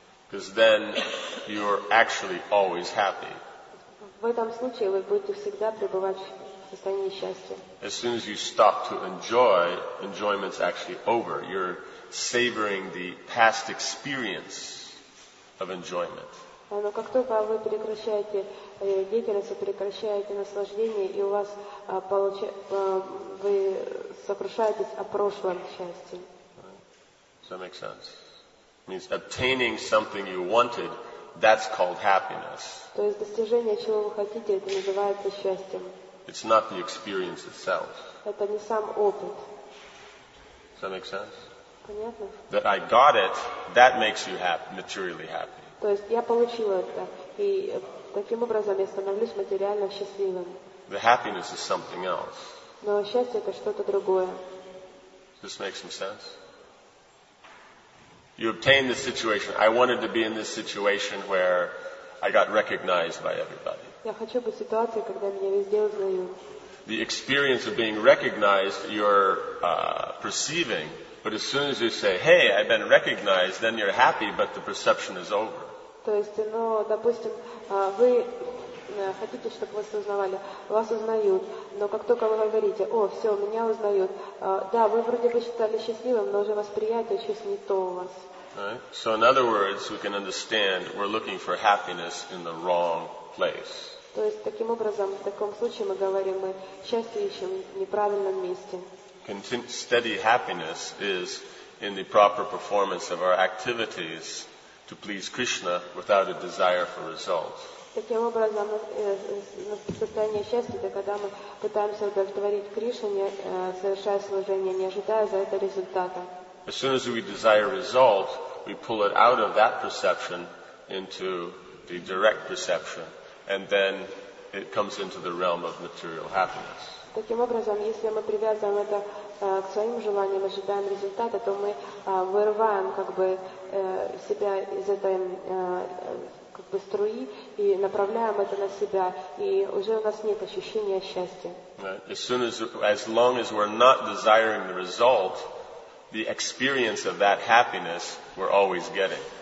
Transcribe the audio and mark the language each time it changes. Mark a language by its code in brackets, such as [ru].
[en] Because then you are actually always happy. [ru] В этом случае вы будете всегда пребывать в состоянии счастья. [en] As soon as you stop to enjoy, enjoyment's actually over. You're savoring the past experience of enjoyment. [ru] Но как только вы прекращаете деятельность, прекращаете наслаждение, и у вас вы сокрушаетесь о прошлом счастье. [en] Does that make sense? It means obtaining something you wanted. That's called happiness. [ru] То есть достижение чего вы хотите, это называется счастьем. [en] It's not the experience itself. [ru] Это не сам опыт. [en] Does that make sense? [ru] Понятно. [en] That I got it, that makes you happy, materially happy. [ru] То есть я получил это, и таким образом я становлюсь материально счастливым. [en] The happiness is something else. [ru] Но счастье это что-то другое. [en] Does this make some sense? You obtain this situation. I wanted to be in this situation where I got recognized by everybody. [ru] Я хочу быть в ситуации, когда меня везде узнают. [en] The experience of being recognized, you're perceiving. But as soon as you say, "Hey, I've been recognized," then you're happy, but the perception is over. [ru] То есть, ну, допустим, вы хотите, чтобы вас узнавали, вас узнают, но как только вы говорите, о, все, меня узнают, да, вы вроде бы считали счастливым, но уже восприятие чуть не то у вас. [en] Right? So in other words, we can understand we're looking for happiness in the wrong place. [ru] То есть таким образом, в таком случае мы говорим, мы счастье ищем в неправильном месте. [en] Steady happiness is in the proper performance of our activities to please Krishna without a desire for results. [ru] Таким образом, состояние счастья, это когда мы пытаемся удовлетворить Кришне, совершая служение, не ожидая за это результата. [en] As soon as we desire result, we pull it out of that perception into the direct perception, and then it comes into the realm of material happiness. [ru] Таким образом, если мы привязываем это к своим желаниям, ожидаем результата, то мы вырываем как бы себя из этой как бы струи и направляем это на себя, и уже у нас нет ощущения счастья. [en] Right. As long as we're not desiring the result, the experience of that happiness we're always getting.